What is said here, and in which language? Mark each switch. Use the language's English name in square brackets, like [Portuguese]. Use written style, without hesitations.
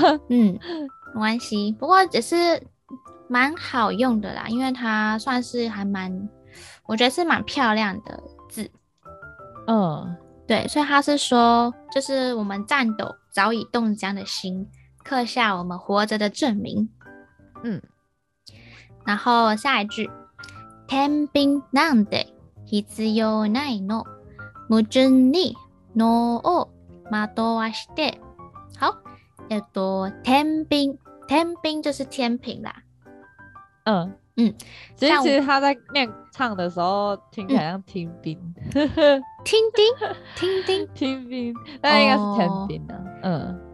[Chinese] 嗯，没关系，不过只是蛮好用的啦，因为它算是还蛮，我觉得是蛮漂亮的字，嗯，对，所以它是说，就是我们颤抖早已冻僵的心，刻下我们活着的证明，嗯，然后下一句， [Japanese] 天秤なんて必要ないの、矛盾に脳を惑わして。 [Chinese] 好，天秤，天秤就是天平啦。嗯嗯，其实他在念唱的时候听起来像听兵，听兵听兵听兵，那应该是天兵啊、哦。嗯，